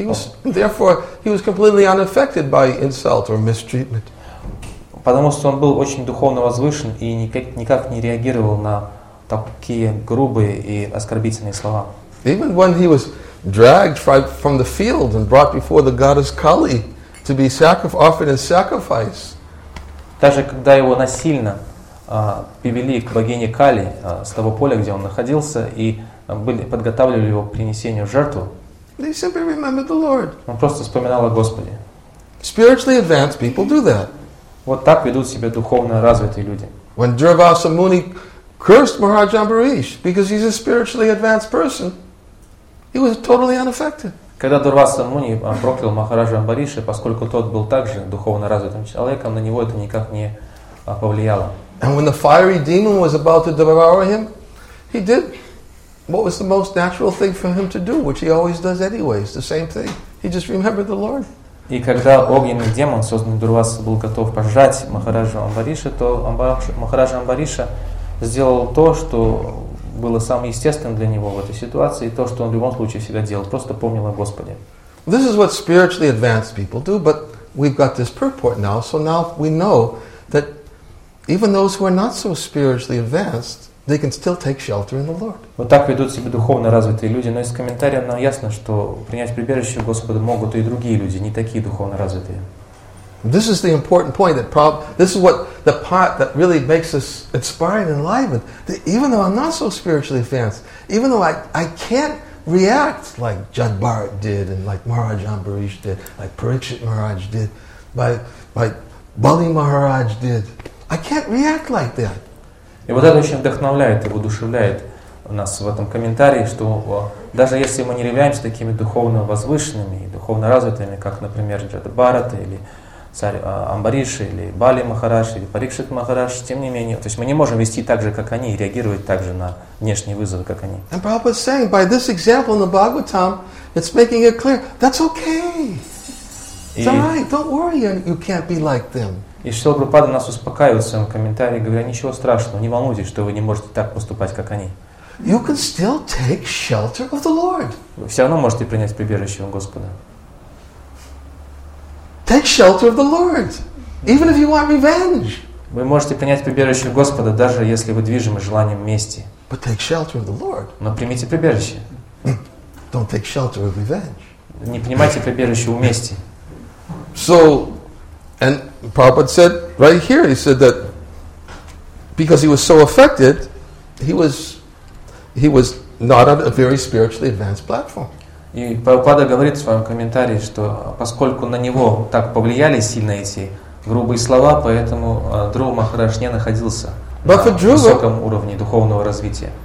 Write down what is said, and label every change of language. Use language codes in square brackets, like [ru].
[en] He was, therefore, he was completely unaffected by insult or mistreatment. [ru] Потому что он был очень духовно возвышен и никак не реагировал на такие грубые и оскорбительные слова. [en] Even when he was dragged from the field and brought before the goddess Kali to be offered in sacrifice. [ru] Даже когда его насильно привели к богине Кали с того поля, где он находился, и подготавливали его к принесению в жертву. [en] They simply remembered the Lord. [ru] Он просто вспоминал о Господе. [en] Spiritually advanced people do that. [ru] Вот так ведут себя духовно развитые люди. [en] When Durvasa Muni cursed Maharaj Ambarish because he's a spiritually advanced person, he was totally unaffected. [ru] Когда Дурваса Муни проклял Махараджа Амбариша, поскольку тот был также духовно развитым человеком, на него это никак не повлияло. [en] And when the fiery demon was about to devour him, he did what was the most natural thing for him to do, which he always does anyways, the same thing. He just remembered the Lord. [ru] И когда огненный демон, созданный Дурвасой, был готов пожрать Махараджу Амбариша, то Махараджа Амбариша сделал то, что было самым естественным для него в этой ситуации, и то, что он в любом случае всегда делал, просто помнил о Господе. [en] This is what spiritually advanced people do, but we've got this purport now, so now we know that even those who are not so spiritually advanced, they can still take shelter in the Lord. [ru] Вот так ведут себя духовно развитые люди, но из комментария нам ясно, что принять прибежище Господа могут и другие люди, не такие духовно развитые. [en] This is the important point that this is what the part that really makes us inspired and enlivened. That even though I'm not so spiritually advanced, even though I can't react like Judd Barrett did and like Maharaj Ambarish did, like Parikshit Maharaj did, by Bali Maharaj did, I can't react like that. [ru] И вот это очень вдохновляет и воодушевляет нас в этом комментарии, что даже если мы не являемся такими духовно возвышенными и духовно развитыми, как, например, Джада Бхарата, или царь Амбариша, или Бали Махарадж, или Парикшит Махарадж, тем не менее, то есть мы не можем вести так же, как они, и реагировать так же на внешние вызовы, как они. [en] And Prabhupada is saying, by this example in the Bhagavatam, it's making it clear, that's okay. It's all right, don't worry, you can't be like them. [ru] И Шрила Прабхупада нас успокаивает в своем комментарии, говоря, ничего страшного, не волнуйтесь, что вы не можете так поступать, как они. [en] You can still take shelter of the Lord. [ru] Вы все равно можете принять прибежище у Господа. [en] Take shelter of the Lord, even if you want revenge. [ru] Вы можете принять прибежище у Господа, даже если вы движимы желанием мести. [en] But take shelter of the Lord. [ru] Но примите прибежище. [en] Don't take shelter of revenge. [ru] Не принимайте прибежище у мести. [en] So, and Prabhupada said right here, he said that because he was so affected, he was not on a very spiritually advanced platform. [ru] И Прабхупада говорит в своем комментарии, что поскольку на него так повлияли сильно эти грубые слова, поэтому Друва Махарадж не находился на высоком уровне духовного развития.